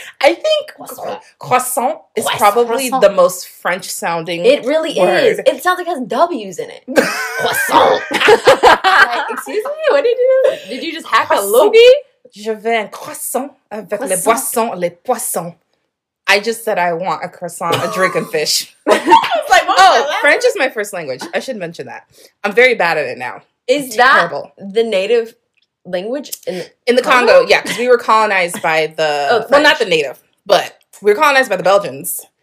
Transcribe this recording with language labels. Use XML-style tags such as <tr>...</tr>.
<en>I think croissant is croissant. Probably croissant. The most French sounding. It really word. Is. It sounds like it has W's in it. Croissant. Like, excuse me, what did you do? Did you just hack croissant. A loogie?</en> <fr>Je veux un croissant avec croissant. Les boissons, les poissons.</fr> <en>I just said I want a croissant, a drink, and fish. I was like, what oh, French is my first language. I should mention that. I'm very bad at it now. Is terrible. That the native language in the Congo? Yeah, because we were colonized by the well, not the native, but we were colonized by the Belgians.</en>